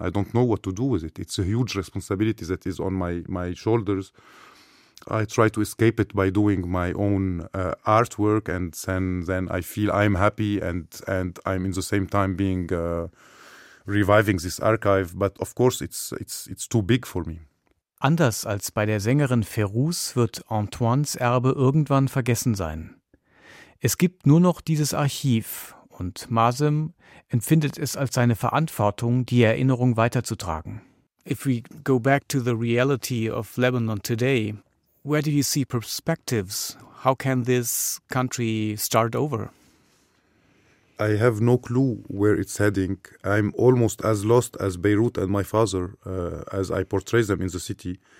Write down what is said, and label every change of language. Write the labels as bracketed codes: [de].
[en] I don't know what to do with it. It's a huge responsibility that is on my shoulders. I try to escape it by doing my own artwork, and then I feel I'm happy and I'm in the same time being reviving this archive. But of course, it's too big for me. [de] Anders als bei der Sängerin Fairuz wird Antoines Erbe irgendwann vergessen sein. Es gibt nur noch dieses Archiv, und Mazen empfindet es als seine Verantwortung, die Erinnerung weiterzutragen. [en] If we go back to the reality of Lebanon today, where do you see perspectives? How can this country start over? I have no clue where it's heading. I'm almost as lost as Beirut and my father, as I portray them in the city.